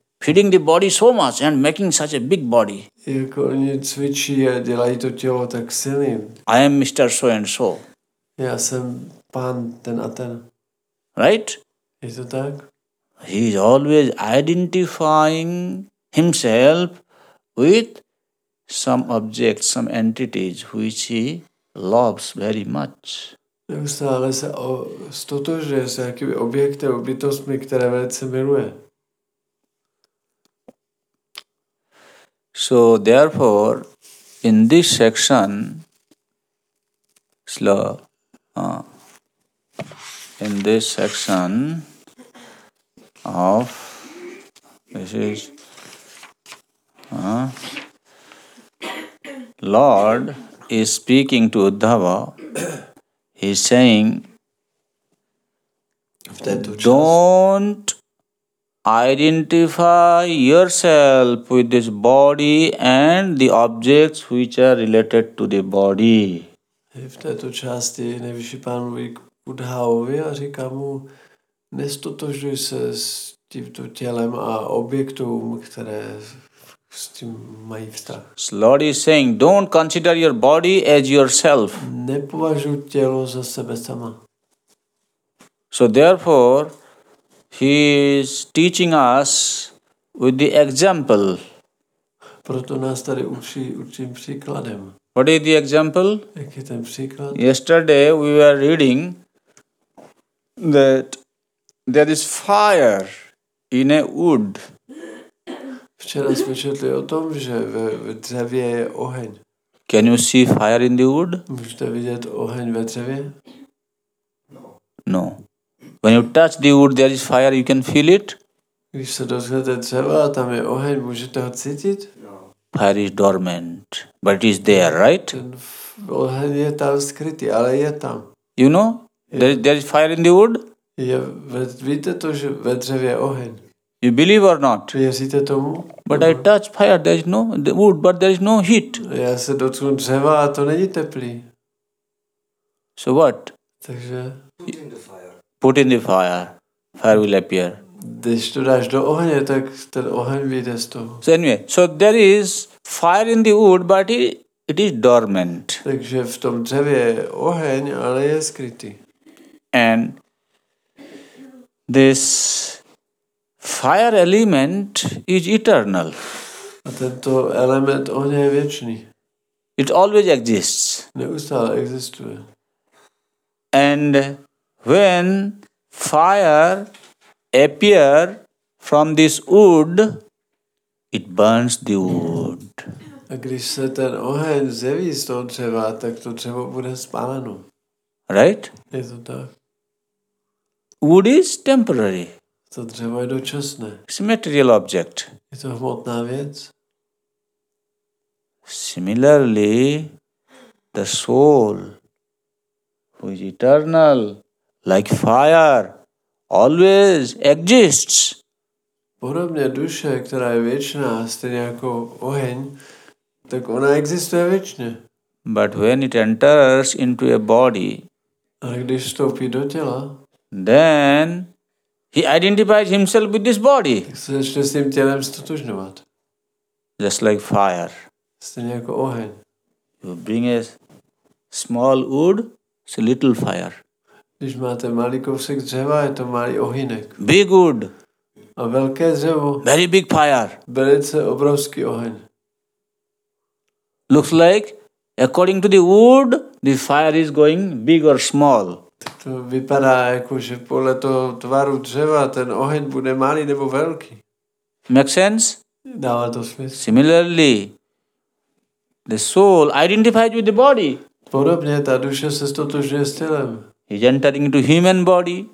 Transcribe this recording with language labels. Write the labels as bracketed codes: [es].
[en] Feeding the body so much and making such a big body. [cs] Jako oni cvičí a dělají to tělo tak silný. [en] I am Mr. So and So. [cs] Já jsem pán ten a ten. [en] Right? Is it tak? He is always identifying himself with some objects, some entities which he loves very much. [cs] Neustále se stotožuje s jakými objekty, bytostmi, které velice miluje. [en] So therefore, in this section, In this section of this is Lord is speaking to Uddhava. He is saying, don't identify yourself with this body and the objects which are related to the body. [cs] V této části nejvyšší pán mluví k Uddhavovi a říká mu, nestotožuj se s tímto tělem a objektům, které s tím mají vztah. [en] Lord is saying, don't consider your body as yourself. [cs] Nepovažuj tělo za sebe sama. [en] So therefore, he is teaching us with the example. [cs] Proto nás tady učí určitým příkladem. [en] What is the example? [cs] Jak je ten příklad? [en] Yesterday we were reading that there is fire in a wood. [cs] Včera jsme četli o tom, že v dřevě je oheň. [en] Can you see fire in the wood? [cs] Můžete vidět oheň ve dřevě? [en] No. When you touch the wood, there is fire, you can feel it. [cs] Když se dotknete dřeva a tam je oheň, můžete ho cítit? [en] Fire is dormant, but it is there, right? [cs] Oheň je tam skrytý, ale je tam. [en] You know, there is fire in the wood? [cs] Víte to, že ve dřevě je oheň? [en] You believe or not? [cs] Věříte tomu? [en] But I touch fire, there is no the wood, but there is no heat. [cs] Já se dotknu dřeva a to není teplý. [en] So what? [cs] Takže... [en] Put in the fire. Fire will appear. [cs] Když to dáš do ohně, tak ten oheň vyjde z toho. [en] So anyway, so there is fire in the wood, but it is dormant. [cs] Takže v tom dřevě je oheň, ale je skrytý. [en] And this fire element is eternal. [cs] A tento element ohně je věčný. [en] It always exists. [cs] Neustále existuje. [en] And when fire appear from this wood, it burns the wood. [cs] A když se ten oheň zjeví z toho dřeva, tak to dřevo bude spáleno. [en] Right? [cs] Je to tak. [en] Wood is temporary. [cs] To dřevo je dočasné. [en] It's a material object. [cs] Je to hmotná věc. [en] Similarly, the soul, who is eternal, like fire, always exists. [cs] Podobně duše, která je věčná, stejně jako oheň, tak ona existuje věčně. [en] But when it enters into a body, [cs] ale když vstoupí do těla, [en] then he identifies himself with this body. [cs] Tak se začne s tím tělem stotožňovat. [en] Just like fire. [cs] Stejně jako oheň. [en] You bring a small wood, it's a little fire. [cs] Když máte malý kousek dřeva, je to malý ohýnek. [en] Big wood. [cs] A velké dřevo. [en] Very big fire. [cs] Velice obrovský oheň. [en] Looks like, according to the wood, the fire is going big or small. [cs] To vypadá jako, že podle toho tvaru dřeva ten oheň bude malý nebo velký. [en] Make sense? [cs] Dává to smysl. [en] Similarly, the soul identifies with the body. [cs] Podobně ta duše se stotožňuje s tělem. [en] He's entering into human body.